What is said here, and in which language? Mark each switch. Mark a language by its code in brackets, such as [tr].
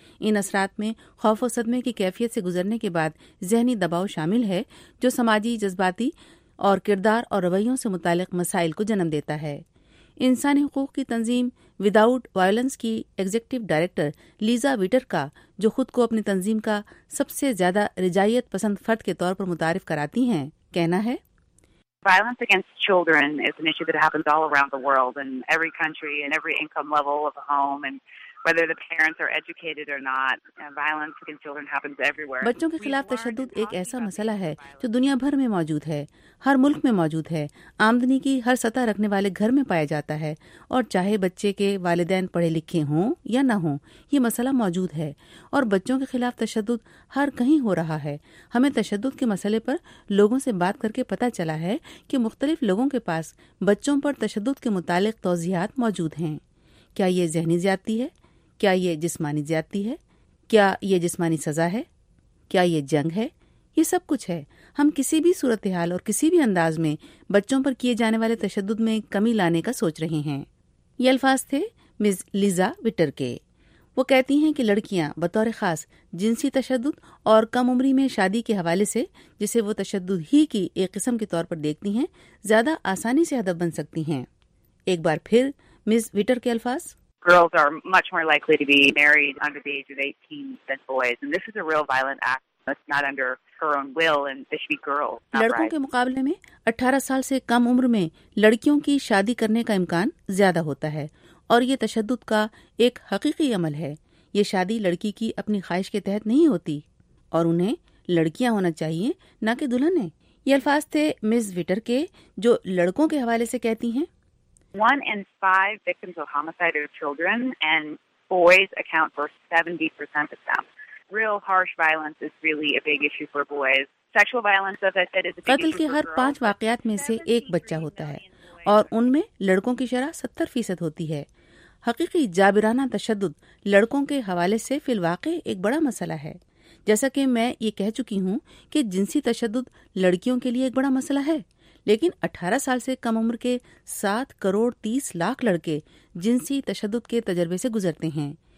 [ur] ان اثرات میں خوف و صدمے کی کیفیت سے گزرنے کے بعد ذہنی دباؤ شامل ہے جو سماجی، جذباتی اور کردار اور رویوں سے متعلق مسائل کو جنم دیتا ہے. انسانی حقوق کی تنظیم وداؤٹ وائلنس کی ایگزیکٹو ڈائریکٹر لیزا ویٹر کا، جو خود کو اپنی تنظیم کا سب سے زیادہ رجائیت پسند فرد کے طور پر متعارف کراتی ہیں، کہنا ہے [en] Violence against children is an issue that happens all around the world in every country and every income level of the home and whether the parents are educated or not. Violence against children happens everywhere. [ur] بچوں کے خلاف تشدد ایک ایسا مسئلہ ہے جو دنیا بھر میں موجود ہے، ہر ملک میں موجود ہے، آمدنی کی ہر سطح رکھنے والے گھر میں پایا جاتا ہے، اور چاہے بچے کے والدین پڑھے لکھے ہوں یا نہ ہوں، یہ مسئلہ موجود ہے اور بچوں کے خلاف تشدد ہر کہیں ہو رہا ہے. ہمیں تشدد کے مسئلے پر لوگوں سے بات کر کے پتہ چلا ہے کہ مختلف لوگوں کے پاس بچوں پر تشدد کے متعلق توضیحات موجود ہیں. کیا یہ ذہنی زیادتی ہے؟ کیا یہ جسمانی زیادتی ہے؟ کیا یہ جسمانی سزا ہے؟ کیا یہ جنگ ہے؟ یہ سب کچھ ہے. ہم کسی بھی صورتحال اور کسی بھی انداز میں بچوں پر کیے جانے والے تشدد میں کمی لانے کا سوچ رہے ہیں. یہ الفاظ تھے مز لیزا وٹر کے. وہ کہتی ہیں کہ لڑکیاں بطور خاص جنسی تشدد اور کم عمری میں شادی کے حوالے سے، جسے وہ تشدد ہی کی ایک قسم کے طور پر دیکھتی ہیں، زیادہ آسانی سے ہدف بن سکتی ہیں. ایک بار پھر مز وٹر کے الفاظ. [en] Girls are much more likely to be married under the age of 18 than boys, and this is a real violent act. It's not under her own will, and they should be girls. [ur] لڑکوں کے مقابلے میں 18 سال سے کم عمر میں لڑکیوں کی شادی کرنے کا امکان زیادہ ہوتا ہے، اور یہ تشدد کا ایک حقیقی عمل ہے. یہ شادی لڑکی کی اپنی خواہش کے تحت نہیں ہوتی، اور انہیں لڑکیاں ہونا چاہیے نہ کہ دلہنیں. یہ الفاظ تھے مس وٹر کے، جو لڑکوں کے حوالے سے کہتی ہیں. [en] 1 in 5 victims of homicide are children, and boys account for 70% of them. Real harsh violence is really a big issue for boys. Sexual violence, as I said, is a big issue for girls. [ur] قتل کے ہر 5 واقعات میں سے ایک بچہ ہوتا ہے، اور ان میں لڑکوں کی شرح 70% ہوتی ہے. حقیقی جابرانہ تشدد لڑکوں کے حوالے سے فی الواقع ایک بڑا مسئلہ ہے. جیسا کہ میں یہ کہہ چکی ہوں کہ جنسی تشدد لڑکیوں کے لیے ایک بڑا مسئلہ ہے، لیکن 18 سال سے کم عمر کے 7,30,00,000 لڑکے جنسی تشدد کے تجربے سے گزرتے ہیں.